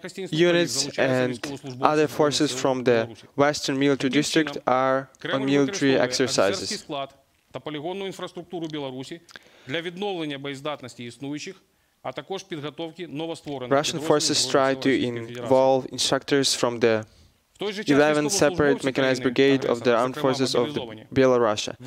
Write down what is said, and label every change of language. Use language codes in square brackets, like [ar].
[en] Units and other forces from the Western military district are on military exercises. [uk] Та полігонну інфраструктуру Білорусі для відновлення боєздатності існуючих, а також підготовки новостворених. [en] Russian forces try to involve instructors from the 11th separate mechanized brigade of the armed forces of Belarus.